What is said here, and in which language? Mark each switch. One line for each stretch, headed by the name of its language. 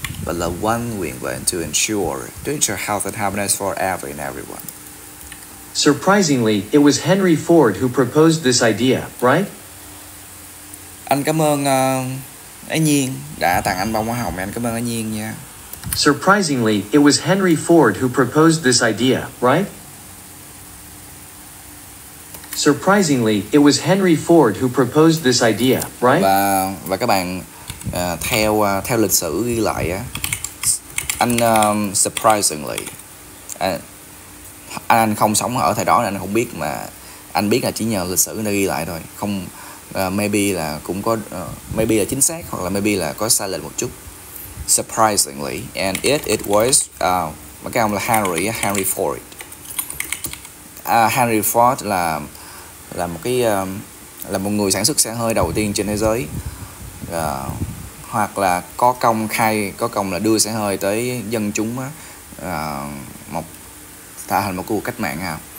English: But the one we want to ensure health and happiness for every and everyone. Surprisingly, it was Henry Ford who proposed this idea, right?
Vietnamese: Anh cảm ơn Anh Nhiên đã tặng anh bông hoa hồng. Anh cảm ơn Anh Nhiên nha.
English: Surprisingly, it was Henry Ford who proposed this idea, right? Surprisingly, it was Henry Ford who proposed this idea, right?
Vietnamese: Và các bạn theo lịch sử ghi lại á, anh không sống ở thời đó nên anh không biết, mà anh biết là chỉ nhờ lịch sử đã ghi lại thôi. Không, maybe là chính xác, hoặc là maybe là có sai lệch một chút.
English: Surprisingly, and it was
Vietnamese: cái ông là
English: Henry Ford.
Vietnamese: Henry Ford là một cái là một người sản xuất xe hơi đầu tiên trên thế giới, hoặc là có công là đưa xe hơi tới dân chúng á, một tạo thành một cuộc cách mạng ha.